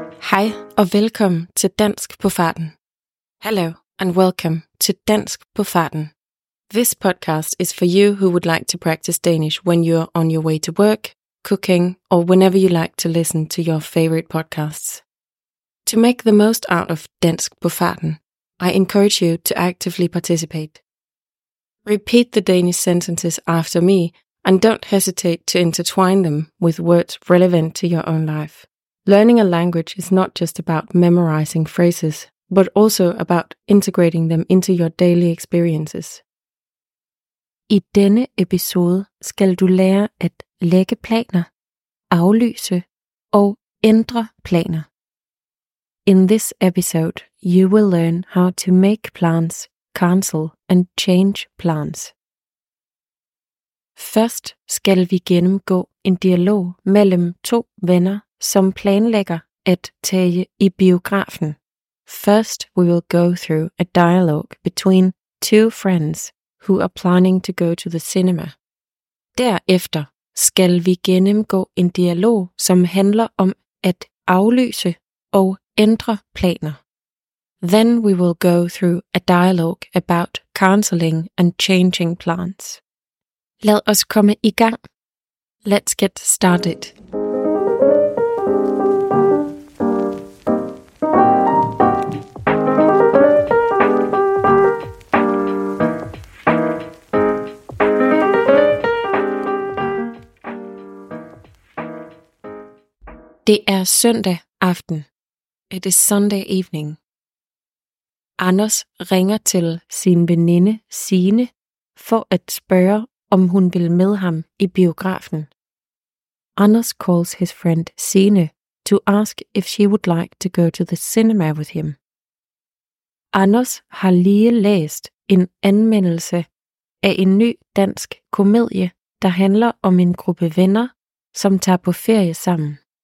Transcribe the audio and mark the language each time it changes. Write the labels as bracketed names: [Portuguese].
[Danish] Hej og velkommen til Dansk på Farten. [English] Hello and welcome to Dansk på Farten. This podcast is for you who would like to practice Danish when you're on your way to work, cooking, or whenever you like to listen to your favorite podcasts. To make the most out of Dansk på Farten, I encourage you to actively participate. Repeat the Danish sentences after me and don't hesitate to intertwine them with words relevant to your own life. Learning a language is not just about memorizing phrases, but also about integrating them into your daily experiences. [Danish] I denne episode skal du lære at lægge planer, aflyse og ændre planer. [English] In this episode, you will learn how to make plans, cancel and change plans. [Danish] Først skal vi gennemgå en dialog mellem to venner, som planlægger at tage i biografen. [English] First, we will go through a dialogue between two friends who are planning to go to the cinema. [Danish] Derefter skal vi gennemgå en dialog, som handler om at aflyse og ændre planer. [English] Then we will go through a dialogue about cancelling and changing plans. [Danish] Lad os komme i gang. [English] Let's get started. [Danish] Det er søndag aften. [English] It is Sunday evening. [Danish] Anders ringer til sin veninde Signe for at spørge, om hun vil med ham i biografen. [English] Anders calls his friend Signe to ask if she would like to go to the cinema with him. [Danish] Anders har lige læst en anmeldelse af en ny dansk komedie, der handler om en gruppe venner, som tager på ferie sammen.